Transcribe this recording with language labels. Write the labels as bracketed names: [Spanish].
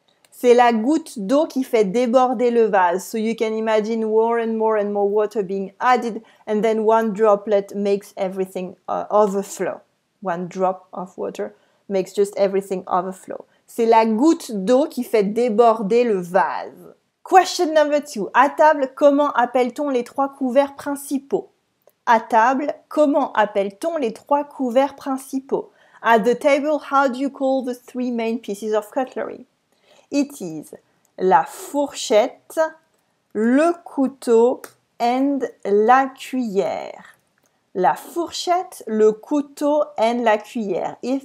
[French] C'est la goutte d'eau qui fait déborder le vase. [English] So you can imagine more and more water being added, and then one droplet makes everything overflow. One drop of water makes just everything overflow. [French] C'est la goutte d'eau qui fait déborder le vase. Question number two. À table, comment appelle-t-on les trois couverts principaux? À table, comment appelle-t-on les trois couverts principaux? [English] At the table, how do you call the three main pieces of cutlery? [French] It is la fourchette, le couteau and la cuillère. La fourchette, le couteau and la cuillère.